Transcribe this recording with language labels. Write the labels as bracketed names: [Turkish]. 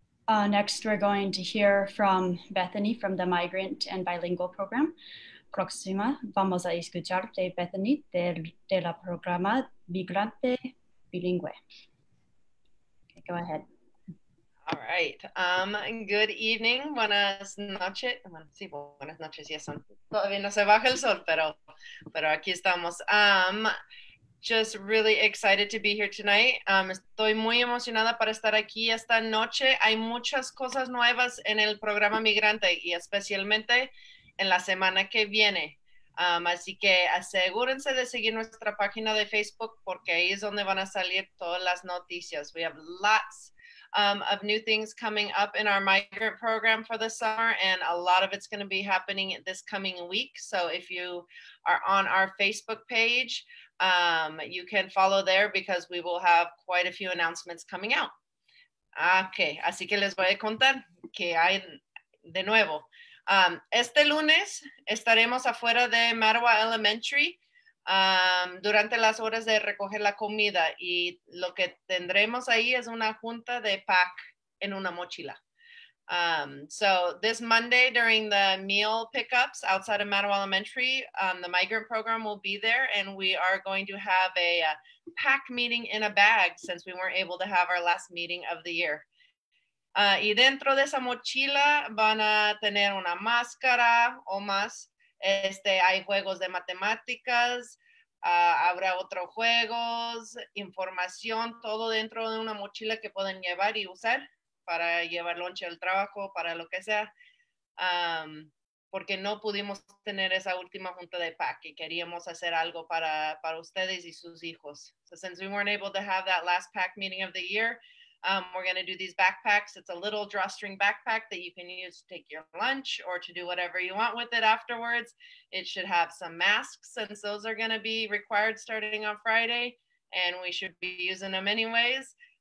[English] Next we're going to hear from Bethany from the Migrant and Bilingual Program. [Spanish] Próxima, vamos a escuchar de Bethany de la programa Migrante Bilingüe. [English] Okay, go ahead. All right. Good evening. [Spanish] Buenas noches. Bueno, sí, buenas noches. Yes, todavía no se baja el sol, pero aquí estamos. [English] Just really excited to be here tonight. [Spanish] Estoy muy emocionada para estar aquí esta noche. Hay muchas cosas nuevas en el programa Migrante y especialmente en la semana que viene. Así que asegúrense de seguir nuestra página de Facebook porque ahí es donde van a salir todas las noticias. [English] We have lots of new things coming up in our migrant program for the summer, and a lot of it's going to be happening this coming week. So if you are on our Facebook page, you can follow there because we will have quite a few announcements coming out. [Spanish] Okay, así que les voy a contar que hay de nuevo. Este lunes estaremos afuera de Marwa Elementary durante las horas de recoger la comida, y lo que tendremos ahí es una junta de pack en una mochila. [English] So this Monday during the meal pickups outside of Mattawa Elementary, the migrant program will be there, and we are going to have a pack meeting in a bag since we weren't able to have our last meeting of the year. [Spanish] Y dentro de esa mochila van a tener una máscara o más. Hay juegos de matemáticas, habrá otros juegos, información, todo dentro de una mochila que pueden llevar y usar para llevar lunch al trabajo, para lo que sea. Porque no pudimos tener esa última junta de PAC y queríamos hacer algo para ustedes y sus hijos. [English] So since we weren't able to have that last PAC meeting of the year, we're going to do these backpacks. It's a little drawstring backpack that you can use to take your lunch or to do whatever you want with it afterwards. It should have some masks since those are going to be required starting on Friday, and we should be using them anyways.